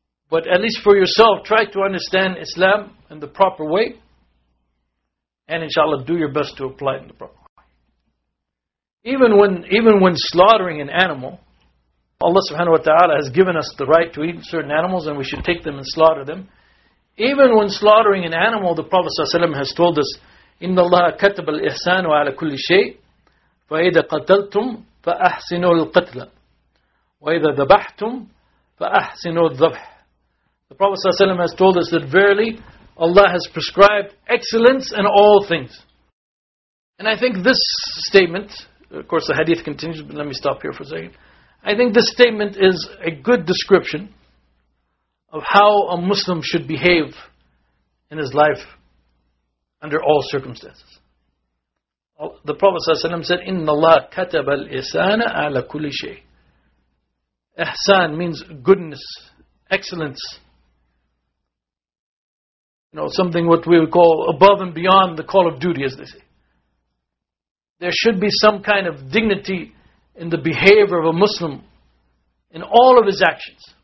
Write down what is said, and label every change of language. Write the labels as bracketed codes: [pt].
[en] But at least for yourself, try to understand Islam in the proper way. And inshallah, do your best to apply it in the proper way. Even when slaughtering an animal, Allah subhanahu wa ta'ala has given us the right to eat certain animals and we should take them and slaughter them. Even when slaughtering an animal, the Prophet sallallahu alaihi wasallam has told us, [ar] إِنَّ اللَّهَ كَتَبَ الْإِحْسَانُ عَلَى كُلِّ شَيْءٍ فَإِذَا قَتَلْتُمْ فَأَحْسِنُوا الْقَتْلَ وَإِذَا ذَبَحْتُمْ فَأَحْسِنُوا الذَّبْحَ. [en] The Prophet sallallahu alaihi wasallam has told us that verily, Allah has prescribed excellence in all things. And I think this statement, of course the hadith continues, but let me stop here for a second. I think this statement is a good description of how a Muslim should behave in his life under all circumstances. The Prophet ﷺ said, [ar] إِنَّ اللَّهَ كَتَبَ الْإِحْسَانَ عَلَى كُلِّ شَيْءٍ. [en] Ihsan means goodness, excellence. You know, something what we would call above and beyond the call of duty, as they say. There should be some kind of dignity in the behavior of a Muslim in all of his actions.